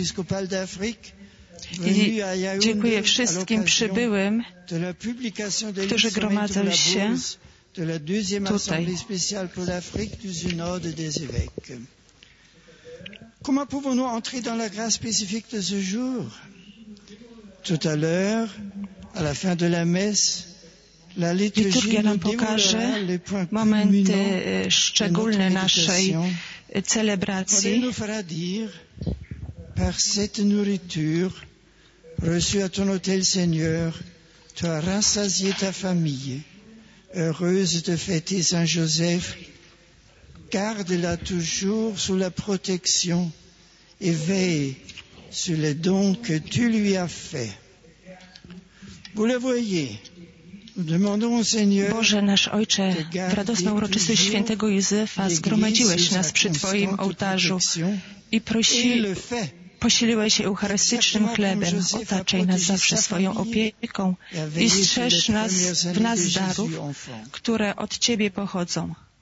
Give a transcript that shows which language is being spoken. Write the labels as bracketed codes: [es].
[pl] I dziękuję wszystkim przybyłym, którzy gromadzą się tutaj. [fr] Comment pouvons-nous entrer dans la grâce spécifique de ce jour? Tout à l'heure, à la fin de la messe, la liturgie nous [pl] pokaże momenty szczególne naszej celebracji. [fr] Nous fera dire par cette nourriture reçu à ton hôtel, Seigneur, tu as rassasié ta famille. Heureuse de fêter Saint Joseph, garde-la toujours sous la protection et veille sur les dons que tu lui as faits. Vous le voyez, nous demandons au Seigneur. [pl] Boże nasz Ojcze, w radosną uroczystość świętego Józefa zgromadziłeś nas przy Twoim ołtarzu i posiliłeś się eucharystycznym chlebem, otaczaj nas zawsze swoją opieką i strzeż nas w nas darów, które od Ciebie pochodzą.